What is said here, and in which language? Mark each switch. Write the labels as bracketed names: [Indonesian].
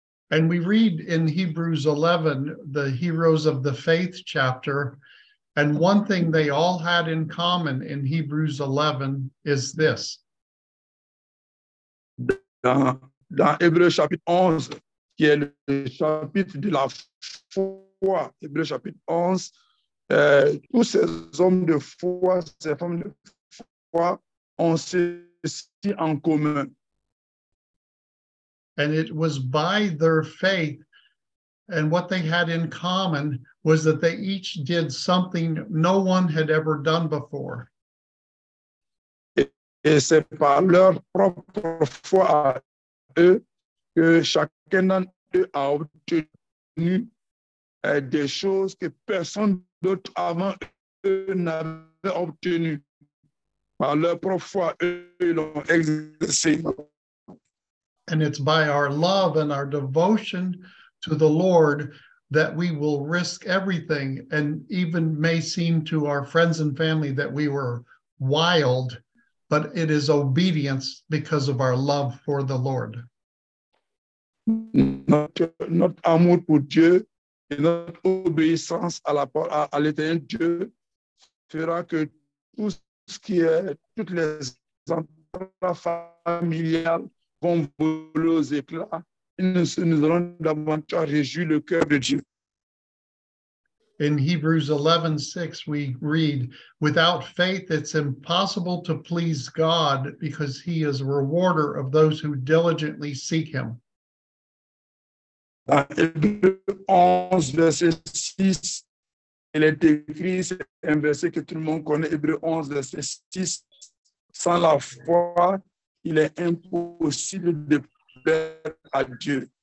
[English] And we read in Hebrews 11, the heroes of the faith chapter, and one thing they all had in common in Hebrews 11 is this. [French] Dans Hébreux chapitre 11, qui est le chapitre de la foi, Hébreux chapitre 11, tous ces hommes de foi, ces femmes de foi, ont ceci en commun. [English] And it was by their faith, and what they had in common was that they each did something no one had ever done before. [French] Et c'est par leur propre foi à eux que chacun d'entre eux a obtenu des choses que personne d'autre avant eux n'avait obtenues. Par leur propre foi, eux l'ont exercé. [English] And it's by our love and our devotion to the Lord that we will risk everything and even may seem to our friends and family that we were wild, but it is obedience because of our love for the Lord. [French] Notre amour pour Dieu et notre obéissance à l'éternel Dieu fera que tout ce qui est toutes les entrailles familiales vont voler aux éclats et nous allons davantage réjouir le cœur de Dieu. [English] In Hebrews 11:6, we read, without faith, it's impossible to please God because he is a rewarder of those who diligently seek him. [French] Dans Hébreux 11, verset 6, il est écrit, c'est un verset que tout le monde connaît, Hébreux 11, verset 6, sans la foi, il est impossible de plaire à Dieu.